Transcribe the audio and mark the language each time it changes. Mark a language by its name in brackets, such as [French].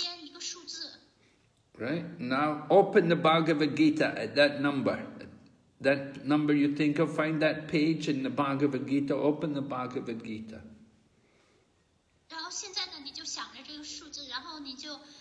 [Chinese] 您有很多问题啊，那比如说，现在你想着一个数字，比如说这个数字就是在50到850之间一个数字。Right [English] now, open the Bhagavad Gita at that number. That number you think of, find that page in the Bhagavad Gita. Open the Bhagavad Gita. [Chinese] 然后现在呢，你就想着这个数字，然后你就。